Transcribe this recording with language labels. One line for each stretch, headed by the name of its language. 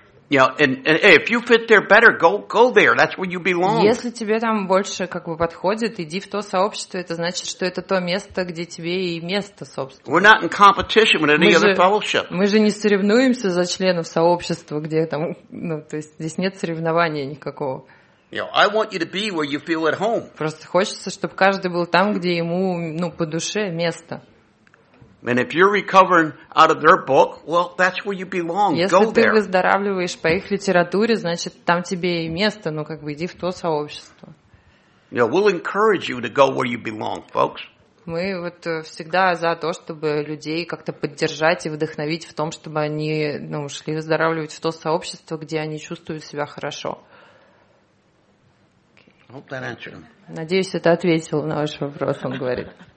English: You know, and hey, if you fit there better, go there. That's where you belong.
Russian: Если тебе там больше как бы подходит, иди в то сообщество. Это значит, что это то место, где тебе и место, собственно.
English: We're not in competition with any other fellowship.
Russian: Мы же не соревнуемся за членов сообщества, где там, ну, то есть здесь нет соревнования никакого.
English: You know, I want you to be where you feel at home.
Russian: Просто хочется, чтобы каждый был там, где ему, ну, по душе место.
English: And if you're recovering out of their book, well, that's where you belong.
Russian: Если
English: go there.
Russian: Если ты выздоравливаешь по их литературе, значит, там тебе и место, ну, как бы, иди в то сообщество.
English: Yeah, we'll encourage you to go where you belong, folks.
Russian: Мы вот всегда за то, чтобы людей как-то поддержать и вдохновить в том, чтобы они, ну, шли выздоравливать в то сообщество, где они чувствуют себя хорошо.
English: Hope that answered.
Russian: Надеюсь, это ответило на ваш вопрос, он говорит.